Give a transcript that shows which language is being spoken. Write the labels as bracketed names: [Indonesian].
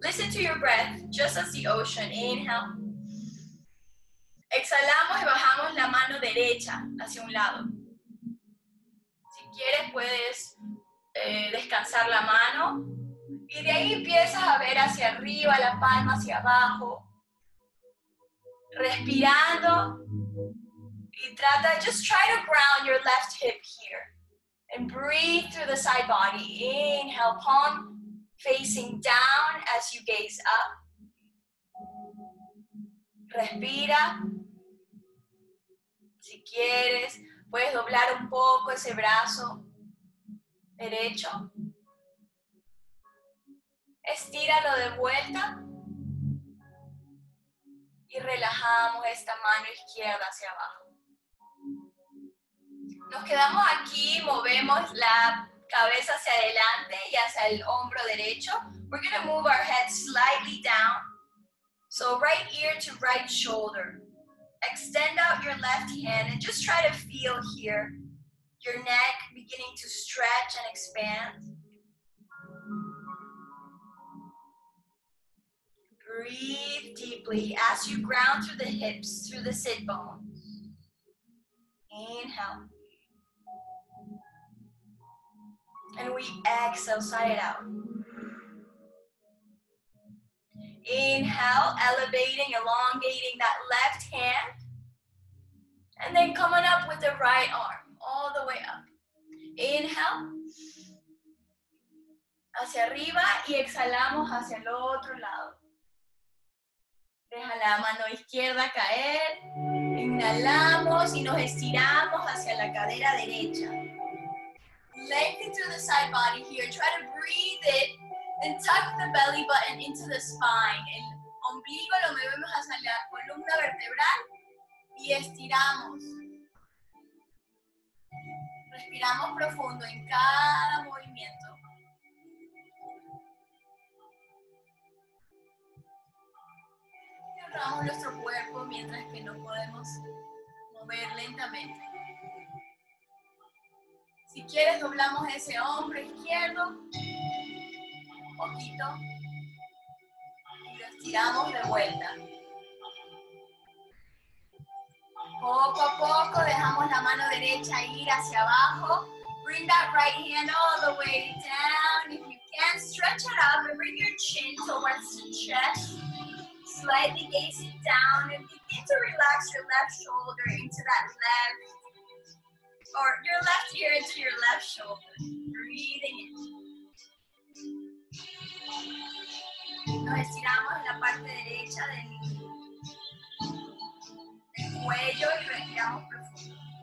[English] Listen to your breath, just as the ocean. Inhale. [Spanish] Exhalamos y bajamos la mano derecha hacia un lado. Si quieres, puedes descansar la mano. Y de ahí empiezas a ver hacia arriba, la palma hacia abajo. Respirando. Y trata, [English] just try to ground your left hip here. And breathe through the side body. Inhale, palm facing down as you gaze up. [Spanish] Respira. Si quieres, puedes doblar un poco ese brazo derecho. Estíralo de vuelta. Y relajamos esta mano izquierda hacia abajo. Nos quedamos aquí, movemos la cabeza hacia adelante y hacia el hombro derecho. [English] We're going to move our head slightly down. So right ear to right shoulder. Extend out your left hand and just try to feel here your neck beginning to stretch and expand. Breathe deeply as you ground through the hips, through the sit bones. Inhale. And we exhale, sigh it out. Inhale, elevating, elongating that left hand. And then coming up with the right arm, all the way up. Inhale. [Spanish] Hacia arriba y exhalamos hacia el otro lado. Deja la mano izquierda caer. Inhalamos y nos estiramos hacia la cadera derecha. [English] Lengthen through the side body here. Try to breathe it. Then tuck the belly button into the spine. [Spanish] El ombligo lo movemos hacia la columna vertebral. Y estiramos. Respiramos profundo en cada movimiento. Y honramos nuestro cuerpo mientras que nos podemos mover lentamente. Si quieres, doblamos ese hombro izquierdo un poquito y lo estiramos de vuelta. Poco a poco dejamos la mano derecha ir hacia abajo. [English] Bring that right hand all the way down. If you can, stretch it up and bring your chin towards the chest. Slightly gaze it down and begin to relax your left shoulder into that left. Or your left ear into your left shoulder. Breathing in. [Spanish] Nos estiramos en la parte derecha del cuello y respiramos profundo.